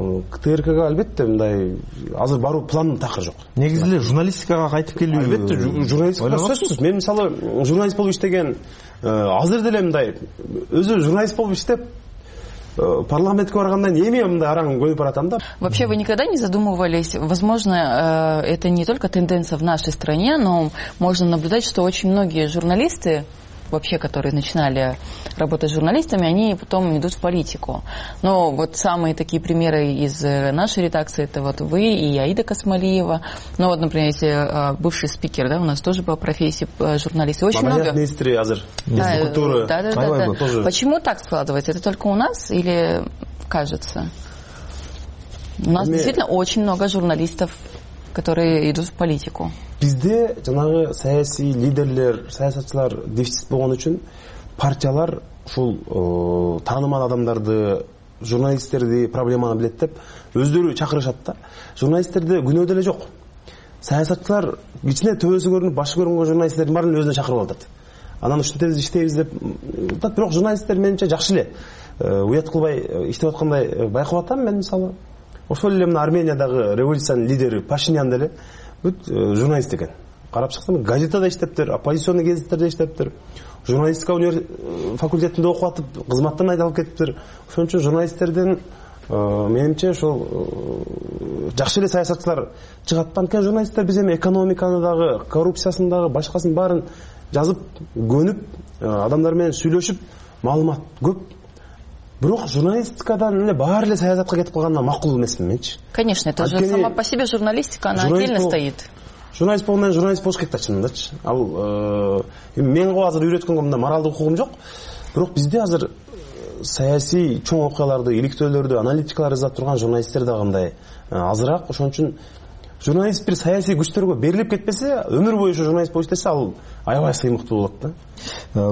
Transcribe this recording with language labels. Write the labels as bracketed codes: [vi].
[ky] КТРКга албетте мындай азыр баруу планым такыр жок. Негизи эле журналистикага кайтып келүү. Албетте журналистика сөзсүз. Мен мисалы журналист болуп иштеген азыр деле мындай өзү журналист болуп иштеп парламентке баргандан эми мындай араң көнүп баратам да. [ru] Вообще вы никогда не задумывались, возможно, это не только тенденция в нашей стране, но можно наблюдать, что очень многие журналисты вообще, которые начинали работать с журналистами, они потом идут в политику. Но вот самые такие примеры из нашей редакции, это вот вы и Аида Космалиева. Ну вот, например, если бывший спикер, да, у нас тоже по профессии журналист. Очень много. [ky] Мамаят министри, азыр, [ru] из культуры. Да. Почему так складывается? Это только у нас или кажется? У нас действительно очень много журналистов, которые идут в политику. [ky] Бизде жанагы саясий лидерлер, саясатчылар дефицит болгон үчүн партиялар ушул таанымал адамдарды, журналисттерди проблеманы билет деп өздөрү чакырышат да. Журналисттерде күнөө деле жок. Саясатчылар кичине төбөсү көрүнүп, башы көрүнгөн журналисттердин баарын өзүнө чакырып алат. Анан ушинтебиз иштейбиз деп атат, бирок журналисттер менимче жакшы эле. Уят кылбай иштеп аткандай байкап атам мен мисалы. Ошол эле мына Армениядагы революциянын лидери Пашинян деле бүт журналист экен. Карап чыктым, газетада иштептир, оппозиционный газеттерде иштептир. Журналистика факультетинде окуп атып, кызматтан айдалып кетиптир. Ошон үчүн журналисттерден менимче ошол жакшы эле саясатчылар чыгат. Анткени журналисттер биз эми экономиканы дагы, коррупциясын дагы, башкасын баарын жазып, көнүп, адамдар менен сүйлөшүп, маалымат көп. Бирок журналистикадан эле баары эле саясатка кетип калганына макул эмесмин менчи. [ru] Конечно, это же сама по себе журналистика, она отдельно стоит. [ky] Журналист болгондон журналист болуш керек да чындачы. Ал эми мен го азыр үйрөткөнгө мындай моралдык укугум жок. Бирок бизде азыр саясий чоң окуяларды, иликтөөлөрдү, аналитикалар издап турган журналисттер дагы мындай азыраак. Ошон үчүн журналист бир саясий күчтөргө берилип кетпесе, өмүр бою ошо журналист болуп иштесе ал аябай сыймыктуу болот да.